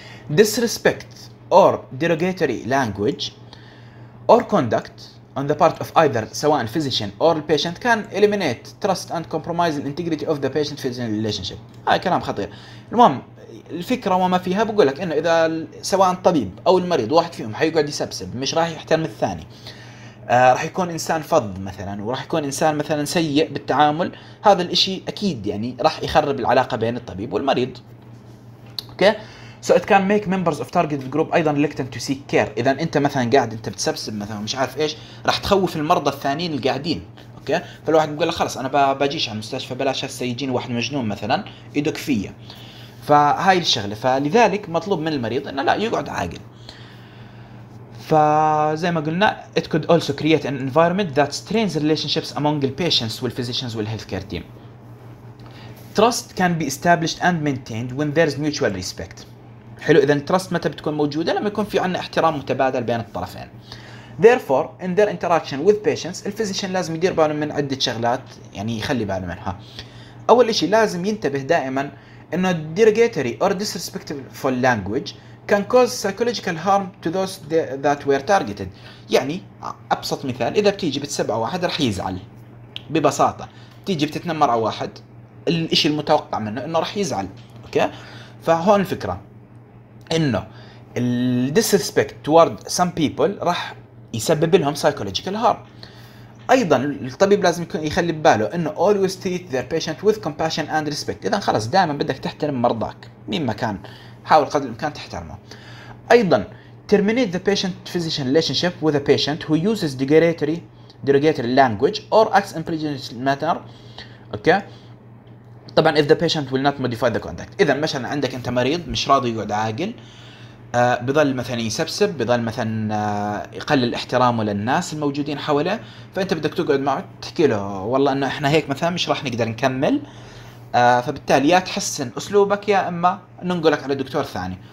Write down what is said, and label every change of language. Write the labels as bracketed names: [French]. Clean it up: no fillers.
[English] Disrespect or derogatory language or conduct on the part of either سواء physician or patient can eliminate trust and compromise the integrity of the patient physician relationship. [Arabic] هاي كلام خطير. المهم الفكره وما فيها بقول لك انه اذا سواء الطبيب او المريض واحد فيهم حيقعد يسبسب مش راح يحترم الثاني، راح يكون انسان فظ مثلا وراح يكون انسان مثلا سيء بالتعامل، هذا الاشي اكيد يعني راح يخرب العلاقه بين الطبيب والمريض. [English] okay so it can make members of target group [Arabic] ايضا [English] reluctant to seek care. [Arabic] اذا انت مثلا قاعد انت بتسبسب مثلا مش عارف ايش راح تخوف المرضى الثانيين اللي قاعدين. اوكي فالواحد بيقول خلاص انا باجيش على المستشفى بلاش هسه يجيني واحد مجنون مثلا يدق فيا، فهاي الشغله. فلذلك مطلوب من المريض انه لا يقعد عاقل. فزي ما قلنا [English] it could also create an environment that strains relationships among the patients with physicians with health care team. trust can be established and maintained when there's mutual respect. [Arabic] حلو اذا التراست متى بتكون موجوده؟ لما يكون في عنا احترام متبادل بين الطرفين. [English] therefore in their interaction with patients [Arabic] الفيزيشن لازم يدير باله من عده شغلات يعني يخلي باله منها. اول شيء لازم ينتبه دائما انه [English] derogatory or disrespectful language can cause psychological harm to those that were targeted. [Arabic] يعني ابسط مثال اذا بتيجي بتسبع واحد راح يزعل، ببساطه بتيجي بتتنمر على واحد الشيء المتوقع منه انه راح يزعل. اوكي فهون الفكره انه الديسريسبكت توارد سام بيبل راح يسبب لهم سايكولوجيكال هارم. ايضا الطبيب لازم يكون يخلي بباله انه [English] Always treat their patient with compassion and respect. [Arabic] اذا خلاص دائما بدك تحترم مرضاك مين ما كان، حاول قدر الامكان تحترمه. [English] ايضا terminate the patient physician relationship with a patient who uses derogatory language or acts in prejudicial manner. Okay [Arabic] طبعا [English] if the patient will not modify the conduct. [Arabic] اذا مثلا عندك انت مريض مش راضي يقعد عاقل، بضل مثلا يسبسب، بضل مثلا يقلل احترامه للناس الموجودين حوله، فانت بدك تقعد معه تحكي له والله انه احنا هيك مثلا مش راح نقدر نكمل، فبالتالي يا تحسن اسلوبك يا اما ننقلك على دكتور ثاني.